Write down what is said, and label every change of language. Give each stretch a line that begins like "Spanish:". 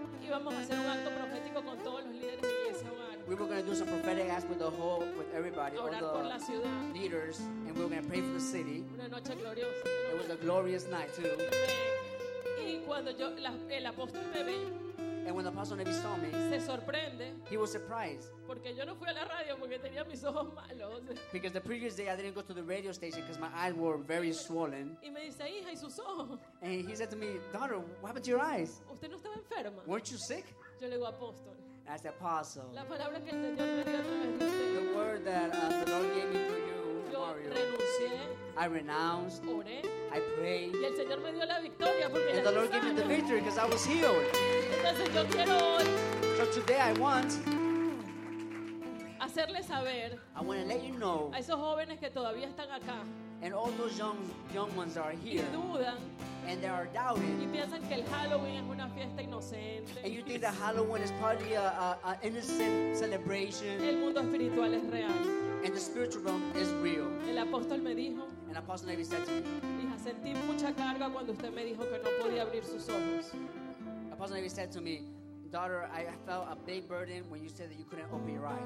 Spanish: íbamos a hacer un acto profético con todos los líderes de iglesia.
English: We were going to do some prophetic acts with the whole, with everybody,
Spanish: orar
English: all the
Spanish: por la ciudad.
English: Leaders, and we were going to pray for the city.
Spanish: Una noche gloriosa.
English: It was a glorious night too.
Spanish: Y cuando el apóstol me ve,
English: and when the apostle Nevi saw me,
Spanish: se sorprende,
English: he was surprised.
Spanish: Porque yo no fui a la radio porque tenía mis ojos malos.
English: Because the previous day I didn't go to the radio station because my eyes were very swollen.
Spanish: Y me dice, hija, ¿y sus ojos?
English: And he said to me, daughter, what happened to your eyes?
Spanish: ¿Usted no estaba enferma?
English: Weren't you sick?
Spanish: Yo le digo, apóstol.
English: I said, apostle.
Spanish: La palabra que el Señor me dio a través de usted.
English: The word that the Lord gave me to you,
Spanish: yo Mario. Renuncié.
English: I renounced.
Spanish: Oré.
English: I prayed.
Spanish: Y el Señor me dio la victoria porque
English: and the Lord gave me the victory because I was healed.
Spanish: Entonces, yo quiero,
English: so today I want
Spanish: hacerles saber,
English: I want to let you know,
Spanish: a esos jóvenes que todavía están acá,
English: and all those young ones are here,
Spanish: y dudan,
English: and they are doubting,
Spanish: y piensan que el Halloween es una fiesta inocente,
English: and you think that Halloween is probably an innocent celebration,
Spanish: el mundo espiritual es real,
English: and the spiritual realm is real.
Spanish: El apóstol me dijo,
English: and Apostle Nevi said to me,
Spanish: hija, sentí mucha carga cuando usted me dijo que no podía abrir sus ojos.
English: Apostle Nevi said to me, daughter, I felt a big burden when you said that you couldn't open your eyes.